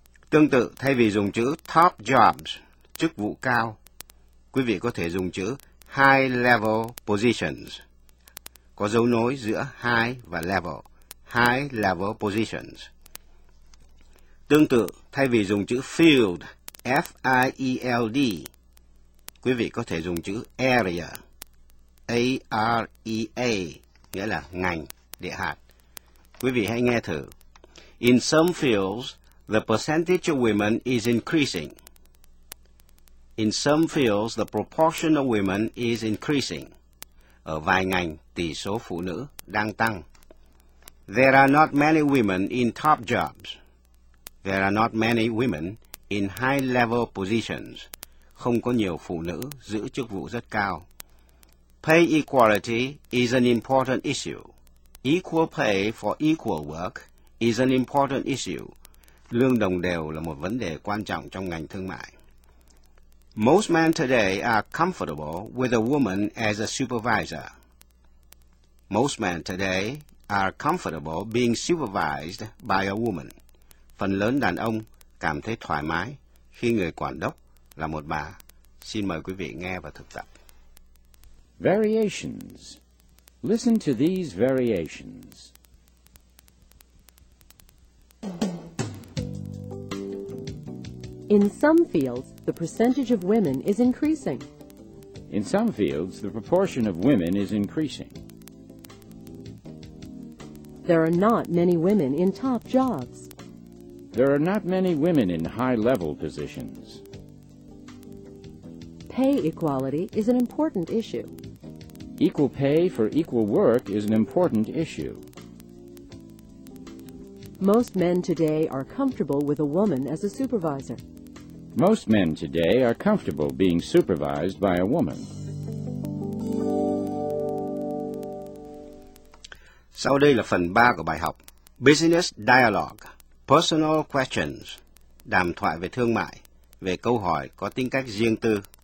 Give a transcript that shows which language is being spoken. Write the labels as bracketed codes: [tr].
[vi] Tương tự, thay vì dùng chữ [en] top jobs, [vi] chức vụ cao, quý vị có thể dùng chữ [en] high level positions, [vi] có dấu nối giữa high và level, high level positions. Tương tự, thay vì dùng chữ field, F-I-E-L-D, quý vị có thể dùng chữ area, A-R-E-A, nghĩa là ngành, địa hạt. Quý vị hãy nghe thử. [en] In some fields, the percentage of women is increasing. In some fields, the proportion of women is increasing. [vi] Ở vài ngành, tỷ số phụ nữ đang tăng. [en] There are not many women in top jobs. There are not many women in high-level positions. [vi] Không có nhiều phụ nữ giữ chức vụ rất cao. [en] Pay equality is an important issue. Equal pay for equal work is an important issue. [vi] Lương đồng đều là một vấn đề quan trọng trong ngành thương mại. [en] Most men today are comfortable with a woman as a supervisor. Most men today are comfortable being supervised by a woman. [vi] Phần lớn đàn ông cảm thấy thoải mái khi người quản đốc là một bà. Xin mời quý vị nghe và thực tập. [en] Variations. Listen to these variations. In some fields, the percentage of women is increasing. In some fields, the proportion of women is increasing. There are not many women in top jobs. There are not many women in high-level positions. Pay equality is an important issue. Equal pay for equal work is an important issue. Most men today are comfortable with a woman as a supervisor. Most men today are comfortable being supervised by a woman. [vi] Sau đây là phần 3 của bài học. [en] Business Dialogue. Personal Questions. [vi] Đàm thoại về thương mại, về câu hỏi có tính cách riêng tư.